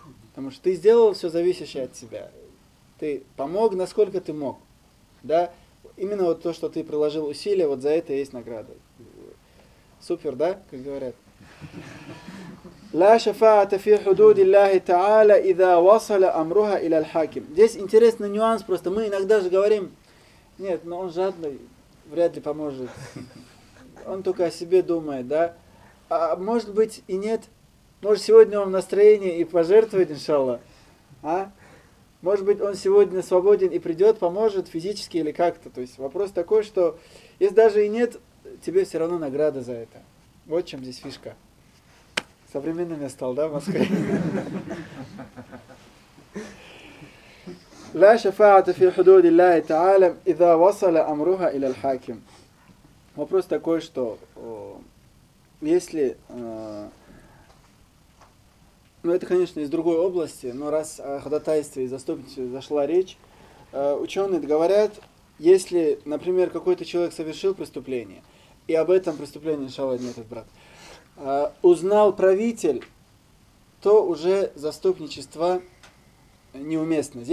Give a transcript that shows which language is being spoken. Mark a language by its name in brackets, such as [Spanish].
[Russian] Потому что ты сделал все зависящее от себя. Ты помог, насколько ты мог. Да? Именно вот то, что ты приложил усилия, вот за это есть награда. Супер, да, как говорят? [Arabic] لا شفاعة في حدود الله تعالى إذا وصل أمرها إلى الحاكم. [Russian] Здесь интересный нюанс просто. Мы иногда же говорим, нет, но он жадный. Вряд ли поможет. Он только о себе думает, да? А может быть и нет. Может, сегодня он в настроении и пожертвует, иншалла. А? Может быть, он сегодня свободен и придет, поможет физически или как-то. То есть вопрос такой, что если даже и нет, тебе все равно награда за это. Вот чем здесь фишка. Современным я стал, да, в Москве? [Arabic] لا شفاعة في حدود الله تعالى إذا وصل أمرها إلى الحاكم. [Russian] Вопрос такой, что если, ну это, конечно, из другой области, но раз о ходатайстве и заступничестве зашла речь, ученые говорят, если, например, какой-то человек совершил преступление, и об этом преступлении шел один этот брат, узнал правитель, то уже заступничество неуместно.